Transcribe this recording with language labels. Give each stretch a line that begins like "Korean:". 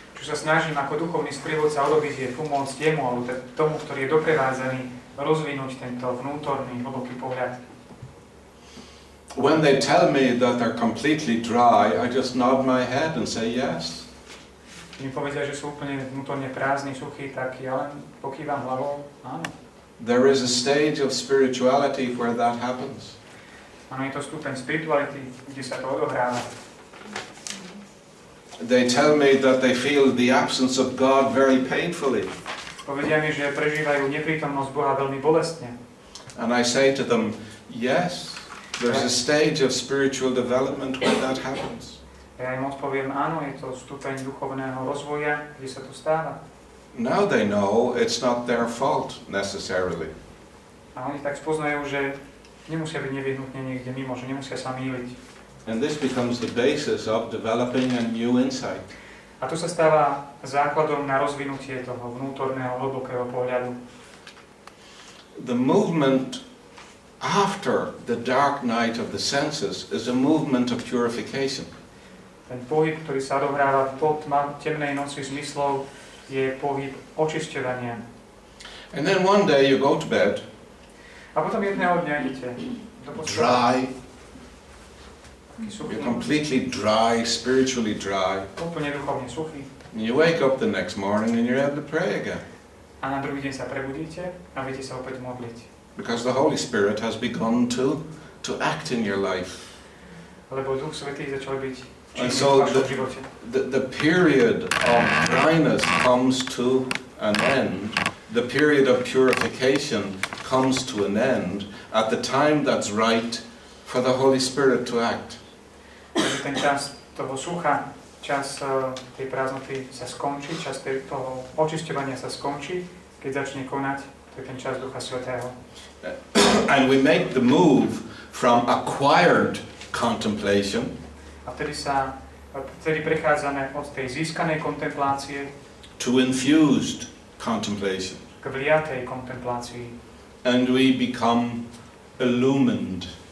Slovak: Čo sa snažím ako duchovný sprievodca urobiť je pomôcť jemu, alebo tomu, ktorý je doprevázaný, rozvinúť tento vnútorný, hlboký pohľad.
English: When they tell me that they're completely dry, I just nod my head and say yes.
Slovak: Keď mi povedia, že sú úplne vnútorne prázdni, suchí, tak ja len pokývam hlavou, áno.
English: There is a stage of spirituality where that happens.
Slovak: Ano, je to stupeň spirituality, kde sa to odohráva.
English: They tell me that they feel the absence of God very painfully.
Slovak: Povedia mi, že prežívajú neprítomnosť Boha veľmi bolestne.
English: And I say to them, yes, there's a stage of spiritual development where that happens.
Slovak: Ja im odpoviem, áno, je to stupeň duchovného rozvoja, kde sa to stáva.
English: Now they know it's not their fault necessarily.
Slovak: A oni tak spoznajú, že nemusia byť nevyhnutne niekde mimo, že nemusia sa mýliť.
English: And this becomes the basis of developing a new insight.
Slovak: A to sa stáva základom na rozvinutie toho vnútorného hlbokého pohľadu.
English: The movement after the dark night of the senses is a movement of purification.
Slovak: Ten pohyb, ktorý sa dohráva po temnej noci zmyslov, je pohyb očisťovania.
English: And then one day you go to bed.
Slovak: A potom jedného dňa idete.
English: Dry. You're completely dry, spiritually dry.
Slovak: Úplne duchovne suchý.
English: And you wake up the next morning and you're able to pray again.
Slovak: A na druhý deň sa prebudíte a viete sa opäť modliť.
English: Because the Holy Spirit has begun to act in your life.
Slovak: Lebo Duch Svätý začal byť.
English: And so the period of dryness comes to an end, the period of purification comes to an end at the time that's right for the Holy Spirit to act.
Slovak: Ten čas toho sucha, čas tej prázdnoty sa skončí, čas toho očisťovania sa skončí, keď začne konať, to je ten čas Ducha Svätého.
English: And we make the move from acquired contemplation.
Slovak: A vtedy prechádzame od tej získanej kontemplácie
English: to infused contemplation.
Slovak: K vliatej kontemplácii.
English: And we become illumined.